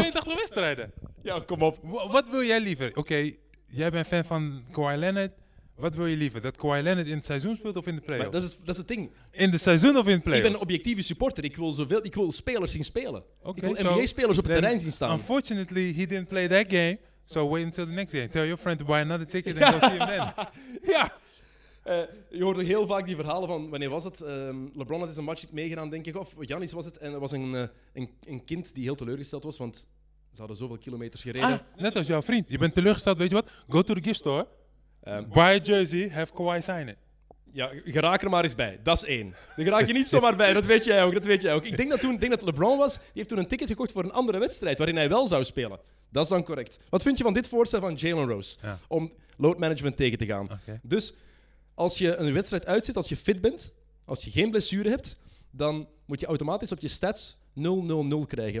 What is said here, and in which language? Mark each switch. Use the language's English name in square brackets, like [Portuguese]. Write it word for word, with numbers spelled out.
[Dutch] tweeëntachtig wedstrijden. Ja, kom op. W- wat wil jij liever? Oké, okay, jij bent fan van Kawhi Leonard. Wat wil je liever? Dat Kawhi Leonard in het seizoen speelt of in de play-off? Dat is, het, dat is het ding. In de seizoen of in de play-off? Ik ben een objectieve supporter. Ik wil, zoveel, ik wil spelers zien spelen. [English] Okay, [Dutch] ik wil so N B A-spelers op het terrein zien staan. [English] Unfortunately, he didn't play that game. So wait until the next game. Tell your friend to buy another ticket and go see him then. [Dutch] Ja! Uh, je hoort heel vaak die verhalen van, wanneer was het? Um, LeBron had eens een match meegedaan, denk ik. Of Giannis was het. En er was een, uh, een, een kind die heel teleurgesteld was, want ze hadden zoveel kilometers gereden. Ah, net als jouw vriend. Je bent teleurgesteld, weet je wat? [English] Go to the gift store. Um, Buy a jersey, have Kawhi sign it. [Dutch] Ja, geraak er maar eens bij. Dat is één. Daar raak je niet zomaar bij, dat weet jij ook. Dat weet jij ook. Ik denk dat toen denk dat LeBron was, die heeft toen een ticket gekocht voor een andere wedstrijd waarin hij wel zou spelen. Dat is dan correct. Wat vind je van dit voorstel van Jalen Rose? Ja. Om load management tegen te gaan. Okay. Dus als je een wedstrijd uitzit, als je fit bent, als je geen blessure hebt, dan moet je automatisch op je stats nul nul nul krijgen.